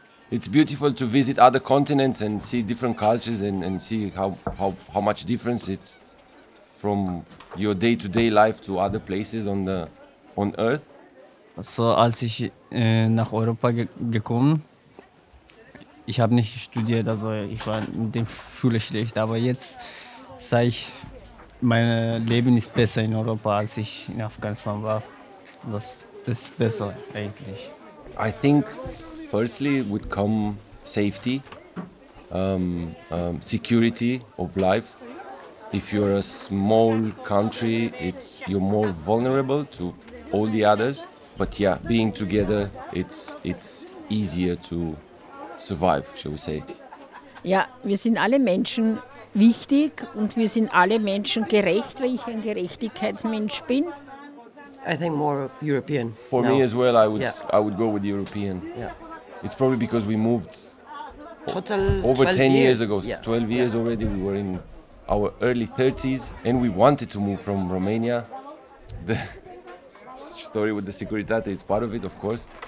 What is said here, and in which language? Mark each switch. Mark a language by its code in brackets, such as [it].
[en] It's beautiful to visit other continents and see different cultures and see how much difference it's from your day-to-day life to other places on Earth. [de] So, als ich nach Europa gekommen, ich habe nicht studiert, also ich war in der Schule schlecht, aber jetzt sage ich, mein Leben ist besser in Europa, als ich in Afghanistan war. Das ist besser eigentlich. [en] I think, firstly, would come safety, security of life. If you're a small country, you're more vulnerable to all the others. But yeah, being together, it's easier to survive, shall we say. [de] Ja, wir sind alle Menschen wichtig und wir sind alle Menschen gerecht, weil ich ein Gerechtigkeitsmensch bin. [en] I think more European. For me as well, I would go with European. Yeah. It's probably because we moved total over 10 years ago. Yeah. 12 years already, we were in our early 30s and we wanted to move from Romania. The story with the Securitate is part of it, of course.